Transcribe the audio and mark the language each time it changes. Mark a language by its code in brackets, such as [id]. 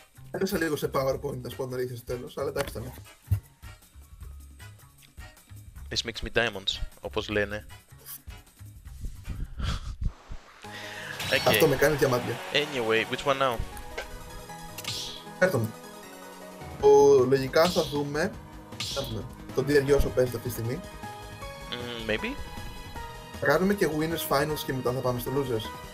[el] Έπεσα λίγο σε PowerPoint, να σου πω να ρίξεις τέλος, αλλά εντάξει ήταν. [en] This makes me diamonds, [el] όπως λένε. [en] Okay. [el] Αυτό με κάνει διαμάντια. [en] Anyway, which one now? [el] Έρθω με. Λογικά θα δούμε... τον Dear Yosho παίζεται αυτή τη στιγμή. [en] Maybe. [el] Θα κάνουμε και Winners Finals και μετά θα πάμε στο Losers.